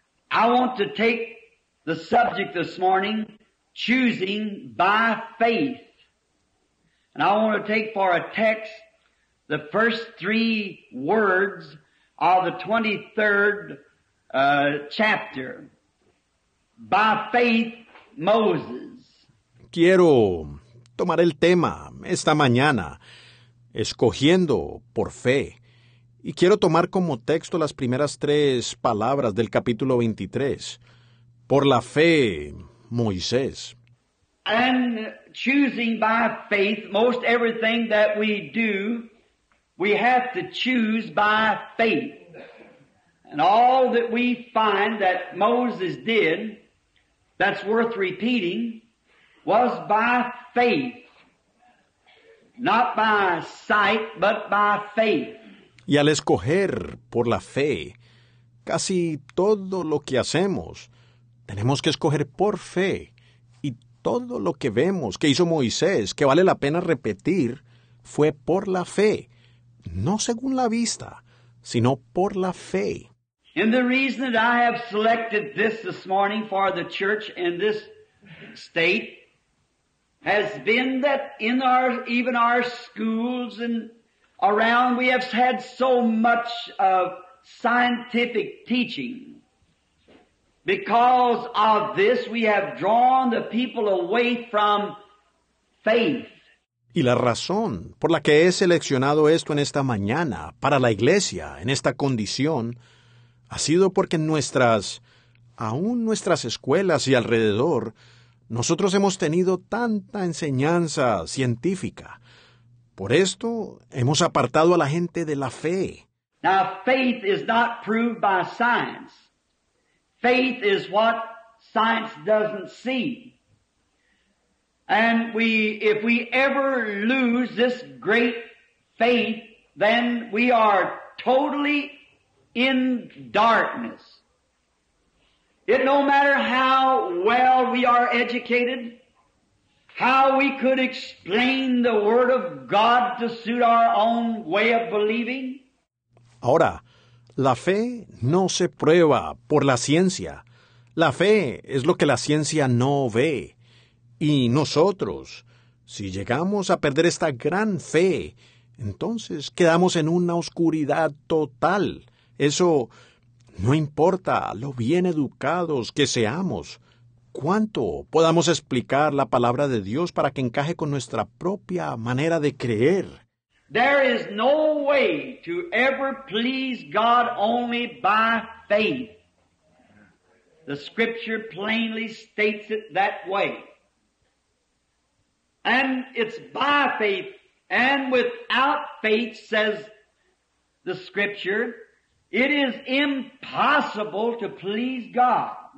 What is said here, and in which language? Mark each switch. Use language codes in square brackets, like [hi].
[en] I want to take the subject this morning, choosing by faith. And I want to take for a text the first 3 words of the 23rd chapter. By faith, Moses. [es] Quiero tomar el tema esta mañana, escogiendo por fe. Y quiero tomar como texto las primeras 3 palabras del capítulo 23. Por la fe, Moisés. [en] And choosing by faith, most everything that we do, we have to choose by faith. And all that we find that Moses did that's worth repeating was by faith. Not by sight, but by faith. [es] Y al escoger por la fe, casi todo lo que hacemos, tenemos que escoger por fe. Y todo lo que vemos que hizo Moisés, que vale la pena repetir, fue por la fe. No según la vista, sino por la fe. [en] And the reason that I have selected this morning for the church in this state has been that in our, even our schools and around, we have had so much of scientific teaching. Because of this, we have drawn the people away from faith. [es] Y la razón por la que he seleccionado esto en esta mañana para la iglesia en esta condición ha sido porque en nuestras, aún nuestras escuelas y alrededor, nosotros hemos tenido tanta enseñanza científica. Por esto hemos apartado a la gente de la fe. [en] Now, faith is not proved by science. Faith is what science doesn't see. And we, if we ever lose this great faith, then we are totally in darkness. It no matter how well we are educated, how we could explain the Word of God to suit our own way of believing. [es] Ahora, la fe no se prueba por la ciencia. La fe es lo que la ciencia no ve. Y nosotros, si llegamos a perder esta gran fe, entonces quedamos en una oscuridad total. Eso no importa lo bien educados que seamos, cuánto podamos explicar la palabra de Dios para que encaje con nuestra propia manera de creer. [en] There is no way to ever please God only by faith. The scripture plainly states it that way. And it's by faith and without faith, says the scripture, it is impossible to please God.